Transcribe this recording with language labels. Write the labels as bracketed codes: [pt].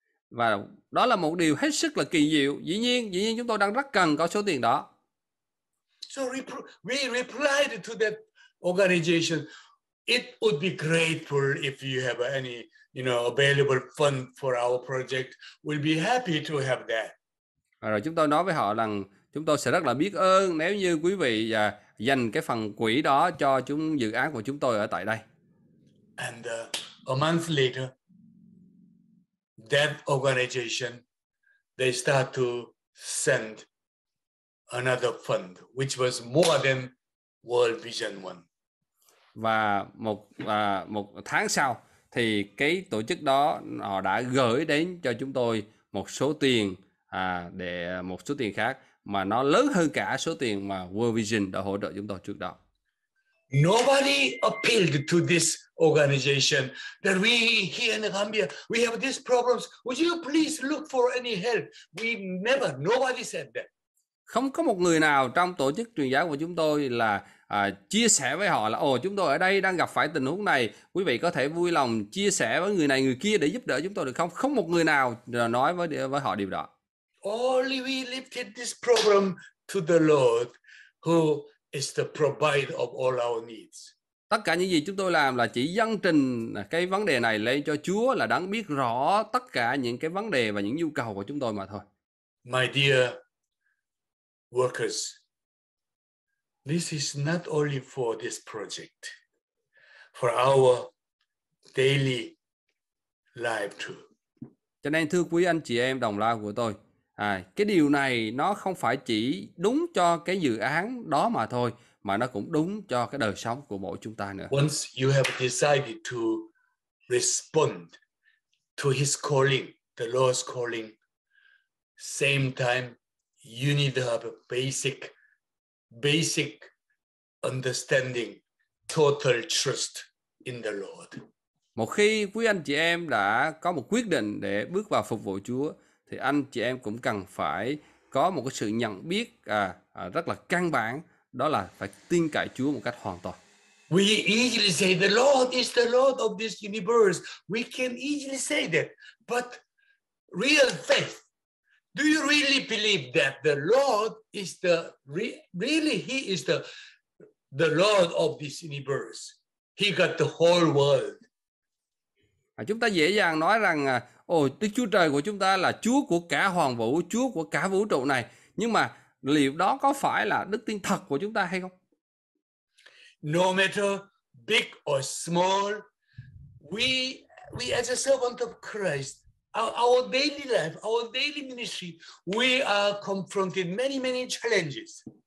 [vi] Và đó là một điều hết sức là kỳ diệu. Dĩ nhiên chúng tôi đang rất cần có số tiền đó. [en] So we replied to that organization. It would be grateful if you have any, you know, available fund for our project. We'll be happy to have that. [vi] Và rồi chúng tôi nói với họ rằng chúng tôi sẽ rất là biết ơn nếu như quý vị dành cái phần quỹ đó cho chúng dự án của chúng tôi ở tại đây. [en] And a month later, that organization, they start to send another fund, which was more than World Vision One. [vi] Và một tháng sau thì cái tổ chức đó họ đã gửi đến cho chúng tôi một số tiền để một số tiền khác mà nó lớn hơn cả số tiền mà World Vision đã hỗ trợ chúng tôi trước đó. [en] Nobody appealed to this organization that we here in Gambia we have these problems. Would you please look for any help? Nobody said that. [vi] Không có một người nào trong tổ chức truyền giáo của chúng tôi là chia sẻ với họ là chúng tôi ở đây đang gặp phải tình huống này, quý vị có thể vui lòng chia sẻ với người này người kia để giúp đỡ chúng tôi được không? Không một người nào nói với họ điều đó. [en] only we lifted this problem to the Lord, who is the provider of all our needs. [vi] Tất cả những gì chúng tôi làm là chỉ dâng trình cái vấn đề này lên cho Chúa, là đấng biết rõ tất cả những cái vấn đề và những nhu cầu của chúng tôi mà thôi. [en] My dear workers, this is not only for this project, for our daily life too. [vi] Cho nên thưa quý anh chị em đồng lao của tôi, cái điều này nó không phải chỉ đúng cho cái dự án đó mà thôi, mà nó cũng đúng cho cái đời sống của mỗi chúng ta nữa. [en] Once you have decided to respond to his calling, the Lord's calling, same time you need to have a basic understanding, total trust in the Lord. [vi] Một khi quý anh chị em đã có một quyết định để bước vào phục vụ Chúa, thì anh chị em cũng cần phải có một cái sự nhận biết rất là căn bản, đó là phải tin cậy Chúa một cách hoàn toàn. [en] We easily say the Lord is the Lord of this universe. We can easily say that. But real faith, do you really believe that the Lord is the really he is the Lord of this universe? He got the whole world. [vi] Chúng ta dễ dàng nói rằng Đức Chúa Trời của chúng ta là Chúa của cả hoàng vũ, Chúa của cả vũ trụ này. Nhưng mà liệu đó có phải là đức tin thật của chúng ta hay không? [en] No matter big or small, we as a servant of Christ, our daily life, our daily ministry, we are confronted many challenges.